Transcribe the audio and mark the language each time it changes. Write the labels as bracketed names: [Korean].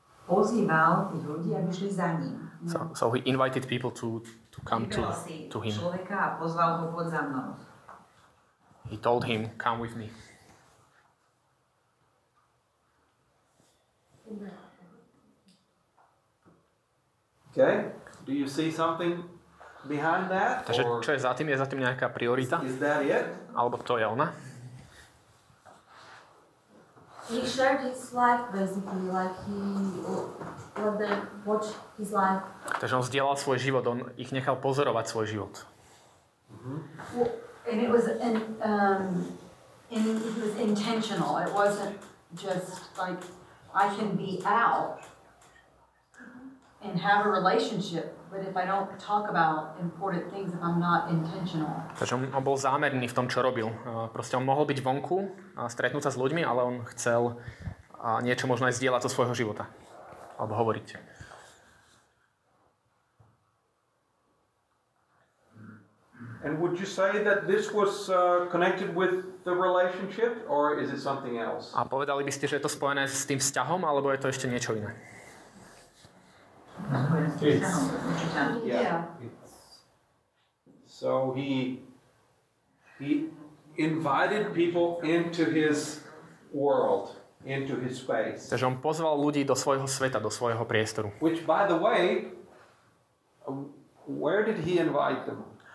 [Slovak] Pozýval tých ľudí, aby šli za ním. [English] So he invited people to come to him. [Slovak] Človeka a pozval ho pod za mnou. [English] He told him, come with me. Okay. Do you see something behind that? [Slovak] Takže čo je za tým? Je za tým nejaká priorita? [English] Is that it? [Slovak] Alebo to je ona? [English] He shared his life basically, watch his life. [Slovak] Takže on zdieľal svoj život, on ich nechal pozorovať svoj život. [English] Well, and it was it was intentional. It wasn't just like I can be out and have a relationship, but if I don't talk about important things, if I'm not intentional. [Slovak] Takže on bol zámerný v tom, čo robil. Proste on mohol byť vonku a stretnúť sa s ľuďmi, ale on chcel niečo možno aj zdieľať zo svojho života. Alebo hovoriť. [English] And would you say that this was connected with the relationship, or is it something else? [Slovak] A povedali by ste, že je to spojené s tým vzťahom, alebo je to ešte niečo iné? [English] It's, yeah. It's, so he invited people into his world, into his space. [Slovak] Takže on pozval ľudí do svojho sveta, do svojho priestoru. [English] Which, by the way, where did he invite them?